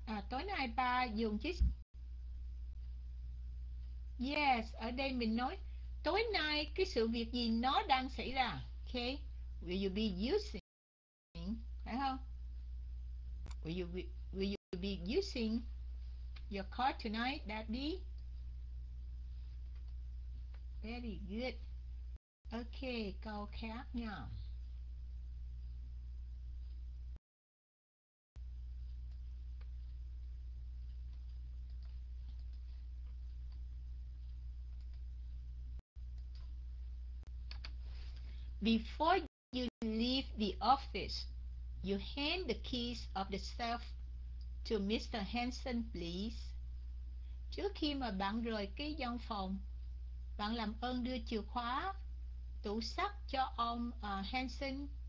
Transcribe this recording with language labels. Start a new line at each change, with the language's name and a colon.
Vietnamese: Tối nay ba dùng chiếc. Yes, ở đây mình nói Tối nay cái sự việc gì nó đang xảy ra?
English: Okay. Will you be using?
Vietnamese: Phải không?
English: Will you be using your car tonight, Daddy? Very good. Okay,
Vietnamese: câu khác nha.
English: Before you leave the office, you hand the keys of the safe to Mr. Hansen, please.
Vietnamese: Trước khi mà bạn rời cái văn phòng, bạn làm ơn đưa chìa khóa tủ sắt cho ông Hansen.